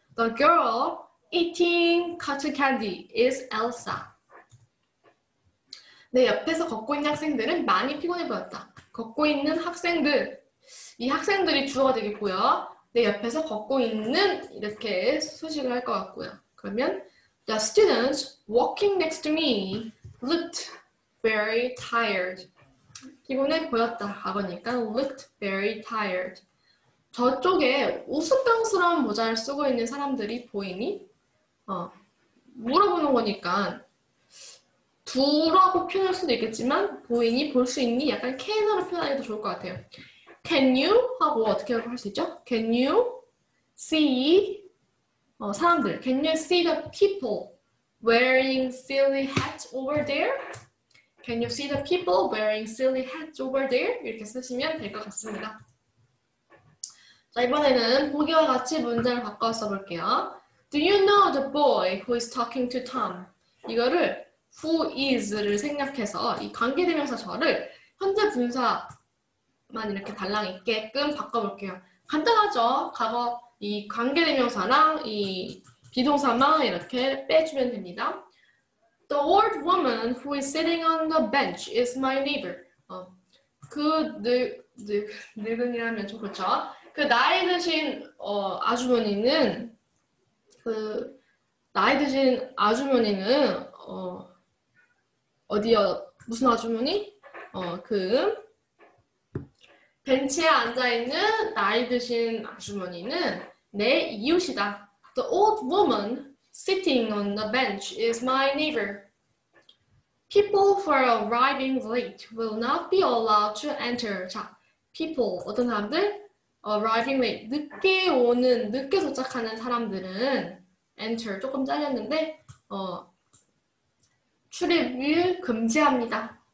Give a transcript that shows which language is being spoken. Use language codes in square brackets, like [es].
[en] The girl eating cotton candy is Elsa. [ko] 내 옆에서 걷고 있는 학생들은 많이 피곤해 보였다. 걷고 있는 학생들. 이 학생들이 주어가 되겠고요. 내 옆에서 걷고 있는 이렇게 수식을 할것 같고요. 그러면 [en] The students walking next to me looked very tired. [ko] 피곤해 보였다. 과거니까 [en] looked very tired. [ko] 저쪽에 우스꽝스러운 모자를 쓰고 있는 사람들이 보이니? 물어보는 거니까 두라고 표현할 수도 있겠지만 보이니? 볼수 있니? 약간 can으로 표현하기도 좋을 것 같아요. [en] Can you? [ko] 하고 어떻게 할수 있죠? [en] Can you see [ko] 사람들? [en] Can you see the people wearing silly hats over there? Can you see the people wearing silly hats over there? [ko] 이렇게 쓰시면 될것 같습니다. 자, 이번에는 보기와 같이 문장을 바꿔 써볼게요. [en] Do you know the boy who is talking to Tom? [ko] 이거를 who is를 생략해서 이 관계대명사 저를 현재 분사 만 이렇게 달랑 있게끔 바꿔볼게요. 간단하죠? 과거 이 관계대명사랑 이 비동사만 이렇게 빼주면 됩니다. [en] The old woman who is sitting on the bench is my neighbor. [ko] 그 늙은이라면 좀 그렇죠? 그 나이 드신 아주머니는 그 나이 드신 아주머니는 어디요? 무슨 아주머니? 그 벤치에 앉아있는 나이 드신 아주머니는 내 이웃이다. [en] The old woman sitting on the bench is my neighbor. People who are arriving late will not be allowed to enter. [ko] 자, people, 어떤 사람들? [en] Arriving late, [ko] 늦게 오는, 늦게 도착하는 사람들은 enter, 조금 잘렸는데, 출입을 금지합니다.